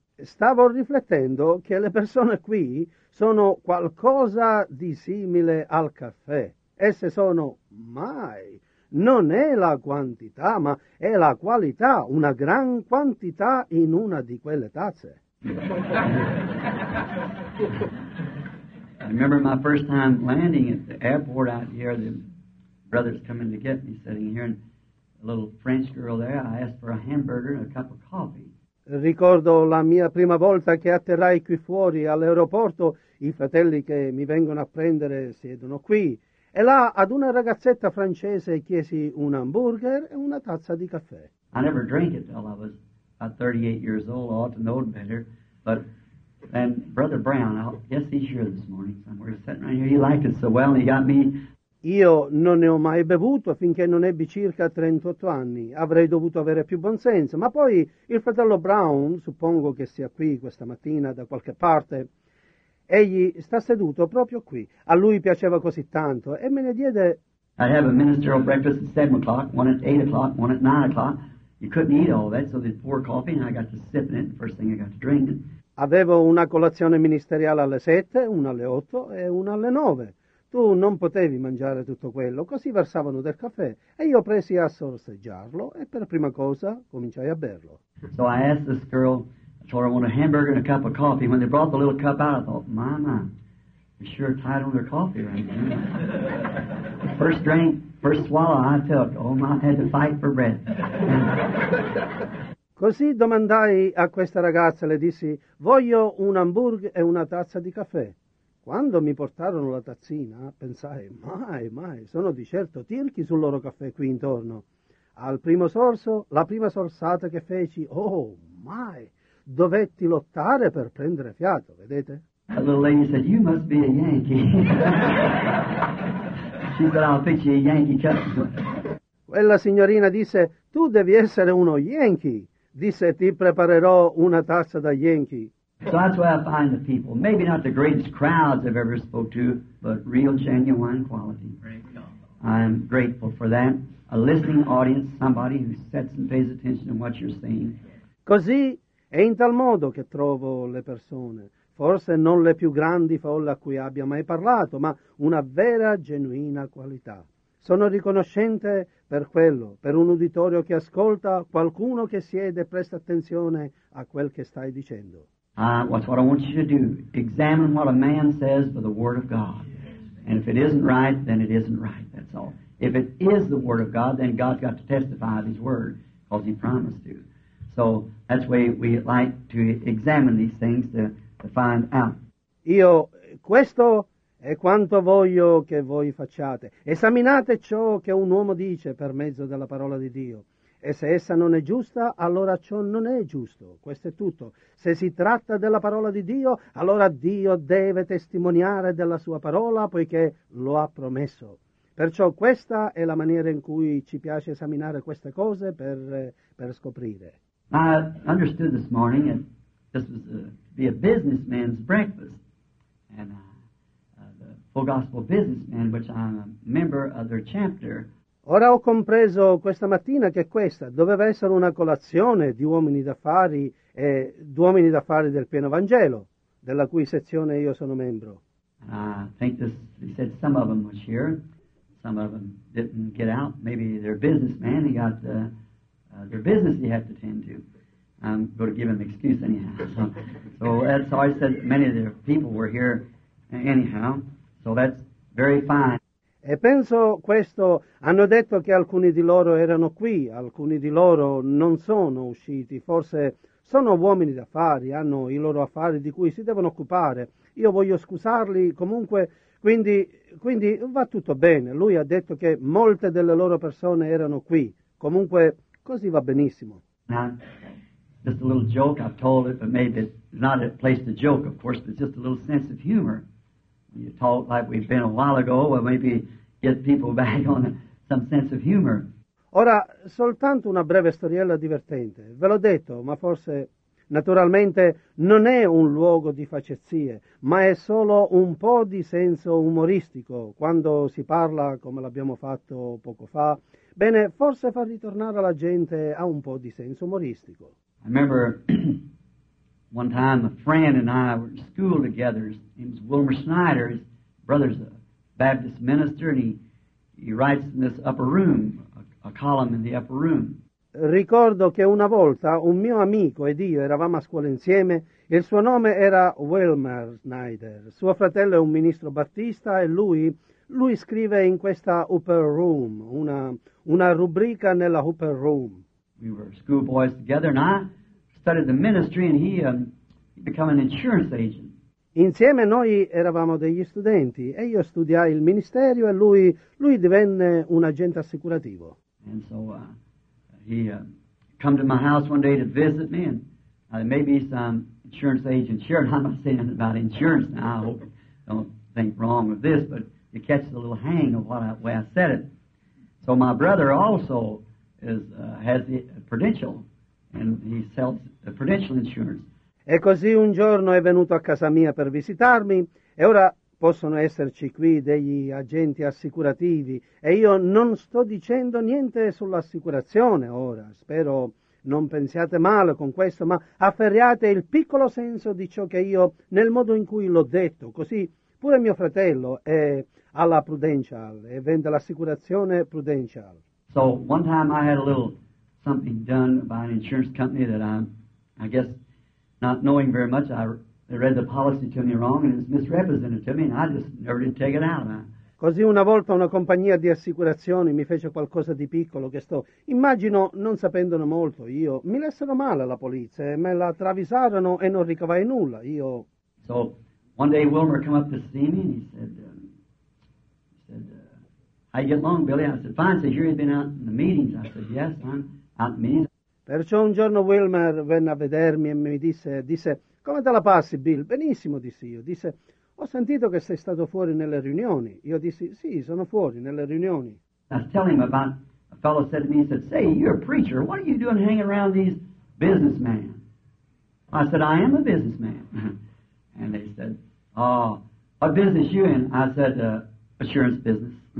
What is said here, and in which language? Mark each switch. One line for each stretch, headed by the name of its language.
Italian: Stavo riflettendo che le persone qui sono qualcosa di simile al caffè. Esse sono mai. Non è la quantità, ma è la qualità, una gran quantità in una di quelle tazze.
English: I remember my first time landing at the airport out here, the brothers coming to get me, sitting here, and a little French girl there, I asked for a hamburger and a cup of coffee.
Italian: Ricordo la mia prima volta che atterrai qui fuori all'aeroporto, i fratelli che mi vengono a prendere siedono qui. E là ad una ragazzetta francese chiesi un hamburger e una tazza di caffè.
English: I never drank it till I was about 38 years old. I ought to know better. But then Brother Brown, I guess he's here this morning somewhere, sitting right here. He liked it so well, he got me.
Italian: Io non ne ho mai bevuto finché non ebbi circa 38 anni. Avrei dovuto avere più buon senso. Ma poi il fratello Brown, suppongo che sia qui questa mattina da qualche parte, egli sta seduto proprio qui. A lui piaceva così tanto e me ne diede.
English: I'd have a ministerial breakfast at 7 o'clock, one at 8 o'clock, one at 9 o'clock. You couldn't eat all that, so they'd pour coffee and I got to sip it, the first thing I got to drink.
Italian: Avevo una colazione ministeriale alle 7, una alle 8 e una alle 9. Tu non potevi mangiare tutto quello, così versavano del caffè e io presi a sorseggiarlo e per prima cosa cominciai a berlo.
English: So I asked this girl. I told her I want a hamburger and a cup of coffee. When they brought the little cup out, I thought, my, my, they're sure tight on their coffee right now. First drink, first swallow I took. Oh, my, I had to fight for breath.
Italian: Così domandai a questa ragazza, le dissi, voglio un hamburger e una tazza di caffè. Quando mi portarono la tazzina, pensai, mai, mai, sono di certo tirchi sul loro caffè qui intorno. Al primo sorso, la prima sorsata che feci, oh, mai. Dovetti lottare per prendere fiato, vedete?
English: A little lady said, you must be a Yankee. She said, I'll pitch you a Yankee cup.
Italian: Quella signorina disse, tu devi essere uno Yankee. Disse, ti preparerò una tazza da Yankee.
English: So that's where I find the people. Maybe not the greatest crowds I've ever spoke to, but real genuine quality. I'm grateful for that. A listening audience, somebody who sets and pays attention to what you're saying.
Italian: Così è in tal modo che trovo le persone, forse non le più grandi folle a cui abbia mai parlato, ma una vera, genuina qualità. Sono riconoscente per quello, per un uditorio che ascolta, qualcuno che siede e presta attenzione a quel che stai dicendo.
English: That's what I want you to do. Examine what a man says for the Word of God. And if it isn't right, then it isn't right, that's all. If it is the Word of God, then God's got to testify of His Word, because He promised to. So that's why we like to examine these things to find out.
Italian: Io, questo è quanto voglio che voi facciate. Esaminate ciò che un uomo dice per mezzo della parola di Dio. E se essa non è giusta, allora ciò non è giusto. Questo è tutto. Se si tratta della parola di Dio, allora Dio deve testimoniare della sua parola poiché lo ha promesso. Perciò questa è la maniera in cui ci piace esaminare queste cose per scoprire.
English: I understood this morning that this was to be a businessman's breakfast. And the Full Gospel Businessman, which I'm a member of their chapter.
Italian: Ora ho compreso questa mattina che questa doveva essere una colazione di uomini d'affari e d'uomini d'affari del Pieno Vangelo, della cui sezione io sono membro.
English: I think this, he said some of them was here. Some of them didn't get out. Maybe they're businessmen. He got the their business they have to tend to. I'm going to give them an excuse anyhow. So that's all I said. Many of their people were here anyhow. So that's very fine.
Italian: E penso questo. Hanno detto che alcuni di loro erano qui. Alcuni di loro non sono usciti. Forse sono uomini d'affari. Hanno i loro affari di cui si devono occupare. Io voglio scusarli. Comunque, Quindi va tutto bene. Lui ha detto che molte delle loro persone erano qui. Comunque, così va benissimo.
English: Now, just a little joke, I've told it, but maybe it's not a place to joke, of course, but just a little sense of humor. When you talk like we've been a while ago, well, maybe get people back on some sense of humor.
Italian: Ora, soltanto una breve storiella divertente. Ve l'ho detto, ma forse, naturalmente, non è un luogo di facezie, ma è solo un po' di senso umoristico. Quando si parla, come l'abbiamo fatto poco fa, bene, forse far ritornare la gente ha un po' di senso umoristico.
English: I remember one time a friend and I were in school together. His name's Wilmer Snyder. His brother's a Baptist minister and he writes in this upper room, a column in the upper room.
Italian: Ricordo che una volta un mio amico ed io eravamo a scuola insieme. Il suo nome era Wilmer Snyder. Suo fratello è un ministro battista e lui scrive in questa upper room, una rubrica nella upper room.
English: We were schoolboys together, and I studied the ministry, and he became an insurance agent.
Italian: Insieme noi eravamo degli studenti, e io studiai il ministerio, e lui divenne un agente assicurativo.
English: And so he came to my house one day to visit me, and there may be some insurance agents here, and I'm not saying about insurance now, I hope you don't think wrong of this, but you catch the little hang of the way I said it. So my brother also has the Prudential, and he sells the Prudential insurance.
Italian: E così un giorno è venuto a casa mia per visitarmi, e ora possono esserci qui degli agenti assicurativi, e io non sto dicendo niente sull'assicurazione ora, spero non pensiate male con questo, ma afferriate il piccolo senso di ciò che io, nel modo in cui l'ho detto, così pure mio fratello è alla Prudential, e vende l'assicurazione Prudential.
English: So one time I had a little something done by an insurance company that I guess not knowing very much, they read the policy to me wrong and it's misrepresented to me and I just never did take it out.
Italian: Così una volta una compagnia di assicurazioni mi fece qualcosa di piccolo che sto, immagino non sapendone molto io, mi lessero male la polizia, me la travisarono e non ricavai nulla, io.
English: So one day Wilmer come up to see me and he said, I get along, Billy. I said, fine. Says you've been out in the meetings. I said, yes, I'm out in the meetings.
Italian: Perciò un giorno Wilmer venne a vedermi e mi disse, come te la passi, Bill? Benissimo, dissi io. Disse, ho sentito che sei stato fuori nelle riunioni. Io dissi, sì, sono fuori nelle riunioni.
English: I was telling him about a fellow said to me, he said, say, you're a preacher. What are you doing hanging around these businessmen? I said, I am a businessman. And they said, oh, what business are you in? I said, assurance business.